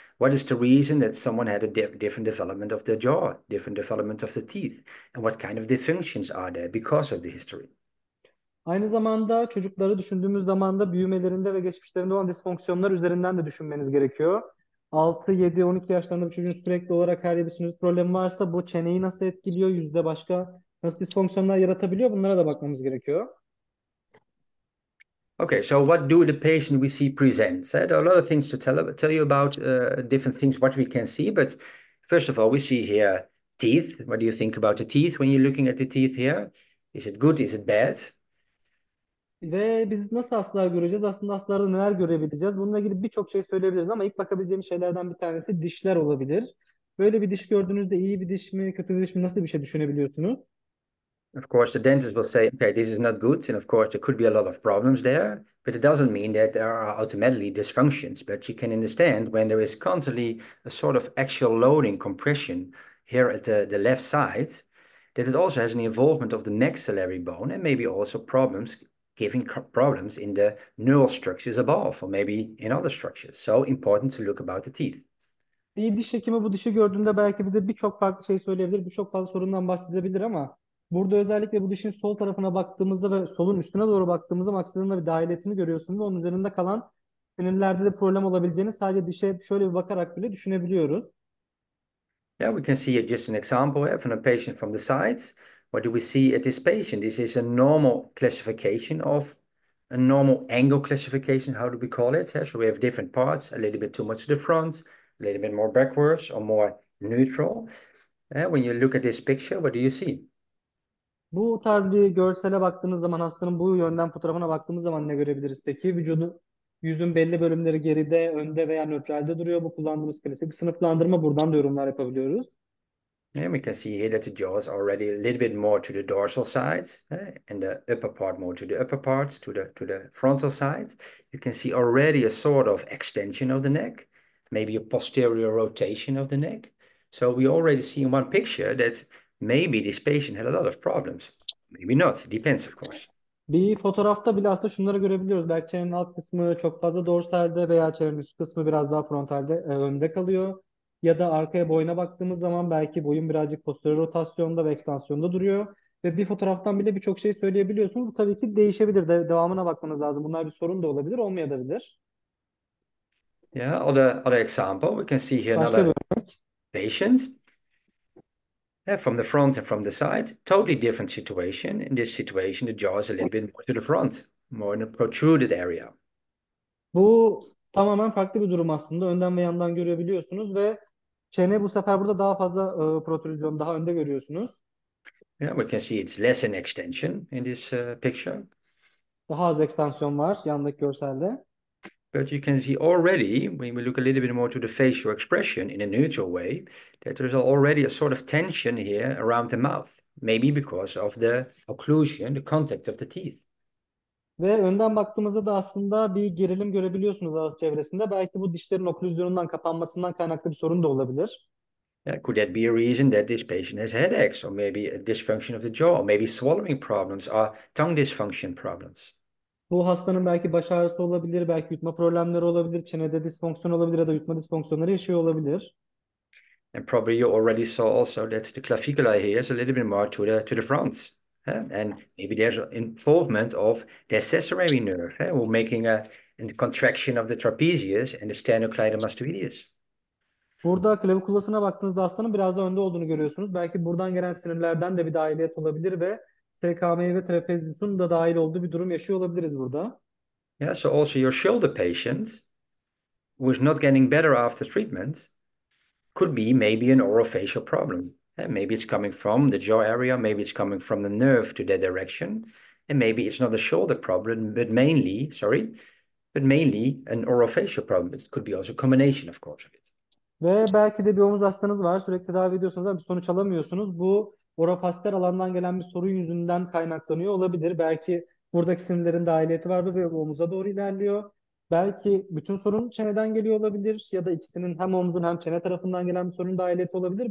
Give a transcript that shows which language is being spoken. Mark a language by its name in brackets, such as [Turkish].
[English] What is the reason that someone had a di different development of the jaw, different development of the teeth, and what kind of dysfunctions are there because of the history? [Turkish] Aynı zamanda çocukları düşündüğümüz zaman da büyümelerinde ve geçmişlerinde olan disfonksiyonlar üzerinden de düşünmeniz gerekiyor. 6, 7, 12 yaşlarında bir çocuğun sürekli olarak her yerde sinüs problemi varsa bu çeneyi nasıl etkiliyor? Yüzde başka nasıl disfonksiyonlar yaratabiliyor? Bunlara da bakmamız gerekiyor. [English] Okay, so what do the patient we see present? So there are a lot of things to tell you about different things what we can see. But first of all, we see here teeth. What do you think about the teeth when you're looking at the teeth here? Is it good? Is it bad? [Turkish] Ve biz nasıl hastalar göreceğiz? Aslında hastalarda neler görebileceğiz? Bununla ilgili birçok şey söyleyebiliriz ama ilk bakabileceğimiz şeylerden bir tanesi dişler olabilir. Böyle bir diş gördüğünüzde iyi bir diş mi, kötü bir diş mi, nasıl bir şey düşünebiliyorsunuz? [English] Of course, the dentist will say, okay, this is not good. And of course, there could be a lot of problems there. But it doesn't mean that there are automatically dysfunctions. But you can understand when there is constantly a sort of axial loading compression here at the left side, that it also has an involvement of the maxillary bone and maybe also problems giving problems in the neural structures above or maybe in other structures. So important to look about the teeth. [Turkish] İyi diş hekimi bu dişi gördüğünde belki bize birçok farklı şey söyleyebilir, birçok fazla sorundan bahsedebilir ama burada özellikle bu dişin sol tarafına baktığımızda ve solun üstüne doğru baktığımızda maksadında bir dahil etini görüyorsunuz. Onun üzerinde kalan sinirlerde de problem olabileceğini sadece dişe şöyle bir bakarak bile düşünebiliyoruz. [English] Yeah, we can see it just an example here from a patient from the side. What do we see at this patient? This is a normal classification of a normal angle classification. How do we call it? Yeah, so we have different parts, a little bit too much to the front, a little bit more backwards or more neutral. Yeah, when you look at this picture, what do you see? [Turkish] Bu tarz bir görsele baktığınız zaman hastanın bu yönden fotoğrafına baktığımız zaman ne görebiliriz peki? Vücudu, yüzün belli bölümleri geride, önde veya nötralde duruyor. Bu kullandığımız klasik bir sınıflandırma. Buradan da yorumlar yapabiliyoruz. [English] And we can see here that the jaw is already a little bit more to the dorsal side, and the upper part more to the upper part, to the frontal side. You can see already a sort of extension of the neck, maybe a posterior rotation of the neck. So we already see in one picture that maybe this patient had a lot of problems. Maybe not. It depends, of course. [Turkish] Bir fotoğrafta bile aslında şunları görebiliyoruz. Belki çenenin alt kısmı çok fazla dorsalde veya çenenin üst kısmı biraz daha frontalde önde kalıyor. Ya da arkaya boyuna baktığımız zaman belki boyun birazcık posterior rotasyonda ve ekstansiyonda duruyor. Ve bir fotoğraftan bile birçok şey söyleyebiliyorsunuz. Bu tabii ki değişebilir. Devamına bakmanız lazım. Bunlar bir sorun da olabilir, olmayabilir. [English] Yeah, other example, we can see here [Turkish] Başka bir [English] another [Turkish] örnek. [English] patient. Yeah, from the front and from the side, totally different situation. In this situation, the jaw is a little bit more to the front, more in a protruded area. [Turkish] Bu tamamen farklı bir durum aslında. Önden ve yandan görebiliyorsunuz ve çene bu sefer burada daha fazla protrüzyon, daha önde görüyorsunuz. [English] Yeah, we can see it's less an extension in this picture. [Turkish] Daha az ekstansiyon var yandaki görselde. [English] But you can see already, when we look a little bit more to the facial expression in a neutral way, that there's already a sort of tension here around the mouth, maybe because of the occlusion, the contact of the teeth. [Turkish] Ve önden baktığımızda da aslında bir gerilim görebiliyorsunuz ağız çevresinde. Belki bu dişlerin oklüzyonundan, kapanmasından kaynaklı bir sorun da olabilir. [English] Yeah, could that be a reason that this patient has headaches, or maybe a dysfunction of the jaw, or maybe swallowing problems, or tongue dysfunction problems? [Turkish] Bu hastanın belki baş ağrısı olabilir, belki yutma problemleri olabilir, çenede disfonksiyon olabilir ya da yutma disfonksiyonları yaşıyor olabilir. [English] And probably you already saw also that the clavicula here is a little bit more to the front. And maybe there's an involvement of the accessory nerve, who making a contraction of the trapezius and the sternocleidomastoideus. [Turkish] Burada klavikulasına baktığınızda hastanın biraz da önde olduğunu görüyorsunuz. Belki buradan gelen sinirlerden de bir dahiliyet olabilir ve SKM ve trapezyumun da dahil olduğu bir durum yaşıyor olabiliriz burada. [English] Yeah, so also your shoulder patient who is not getting better after treatment. Could be maybe an orofacial problem. And maybe it's coming from the jaw area, maybe it's coming from the nerve to that direction, and maybe it's not a shoulder problem, but mainly an orofacial problem. It could be also a combination, of course, of it. [Turkish] Ve belki de bir omuz hastanız var. Sürekli tedavi ediyorsunuz ama bir sonuç alamıyorsunuz. Bu orofaster alandan gelen bir sorun yüzünden kaynaklanıyor olabilir. Belki buradaki sinirlerin dahiliyeti vardır ve omuza doğru ilerliyor. Belki bütün sorun çeneden geliyor olabilir ya da ikisinin hem omuzun hem çene tarafından gelen bir sorun dahiliyeti olabilir.